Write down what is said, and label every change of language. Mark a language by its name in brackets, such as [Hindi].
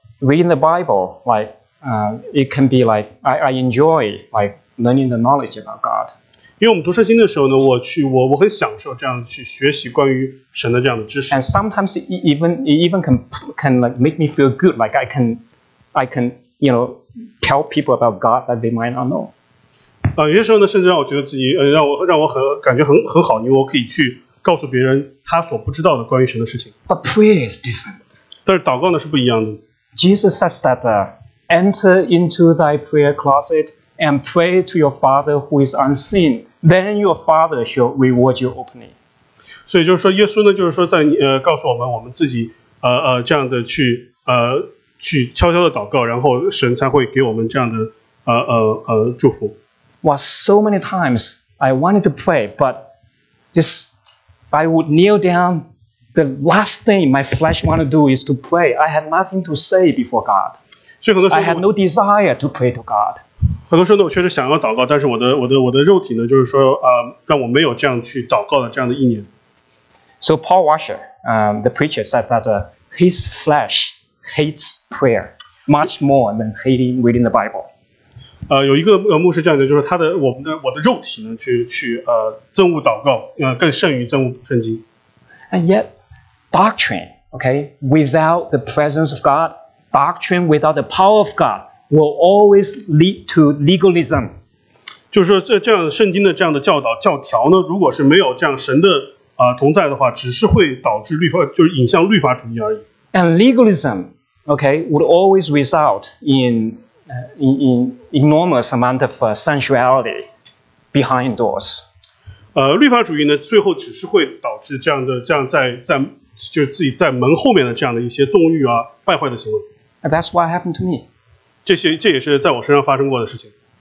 [English] reading the Bible, like, it can be like, I enjoy like learning the knowledge about God. [Chinese] 因为我们读圣经的时候呢，我很享受这样去学习关于神的这样的知识。 [English] And sometimes it even can like make me feel good, like I can you know tell people about God that they might not know. [Chinese] 有些时候呢，甚至让我觉得自己让我很感觉很好，因为我可以去告诉别人他所不知道的关于神的事情。 [English] But prayer is different. [Chinese] 但是祷告呢是不一样的。 [English] Jesus says that, enter into thy prayer closet. And pray to your father who is unseen, then your father shall reward you openly. [Chinese] 所以就是说，耶稣呢，就是说在告诉我们，我们自己这样的去悄悄的祷告，然后神才会给我们这样的祝福。 [English] Well, so many times I wanted to pray, but I would kneel down. The last thing my flesh want to do is to pray. I had nothing to say before God. I had no desire to pray to God. [Chinese] 很多时候呢，我确实想要祷告，但是我的肉体呢，就是说，让我没有这样去祷告的这样的意念。 [English] So Paul Washer, the preacher said that his flesh hates prayer much more than hating reading the Bible. [Chinese] 有一个牧师这样讲，就是我的肉体呢，去憎恶祷告，更甚于憎恶圣经。 [English] And yet, doctrine, okay, without the presence of God, doctrine without the power of God. Will always lead to legalism. [Chinese] 就是说，这样圣经的这样的教导教条呢，如果是没有这样神的同在的话，只是会导致律法，就是引向律法主义而已。 [English] And legalism, okay, would always result in enormous amount of sensuality behind doors. [Chinese] 律法主义呢，最后只是会导致这样在就是自己在门后面的这样的一些纵欲啊，败坏的行为。 [English] And that's what happened to me. [Chinese] 这也是在我身上发生过的事情。